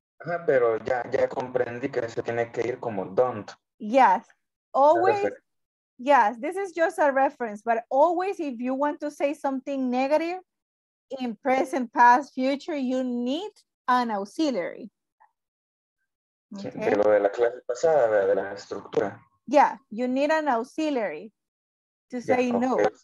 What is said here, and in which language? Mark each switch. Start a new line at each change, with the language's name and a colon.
Spanish: Ajá, pero ya comprendí que se tiene que ir como don't.
English: Yes, always. Yes, this is just a reference, but always if you want to say something negative in present, past, future, you need an auxiliary. Okay.
Spanish: De lo de la clase pasada, de la estructura.
English: Yeah, you need an auxiliary to say yeah, okay.